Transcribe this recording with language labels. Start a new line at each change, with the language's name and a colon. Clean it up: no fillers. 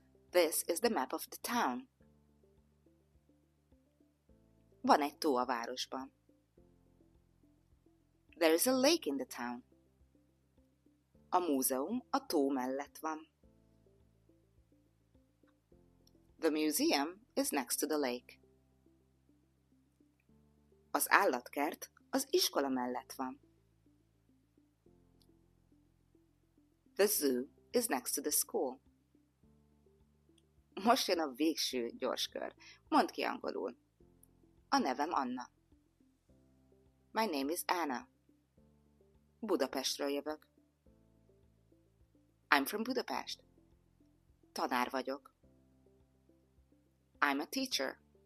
English: This is the map of the town.
Hungarian: Van egy tó a városban.
English: There is a lake in the town.
Hungarian: A múzeum a tó mellett van.
English: The museum is next to the lake.
Hungarian: Az állatkert az iskola mellett van.
English: The zoo is next to the school.
Hungarian: Most jön a végső gyorskör. Mondd ki angolul. A nevem Anna.
English: My name is Anna.
Hungarian: Budapestről jövök.
English: I'm from Budapest.
Hungarian: Tanár vagyok.
English: I'm a teacher.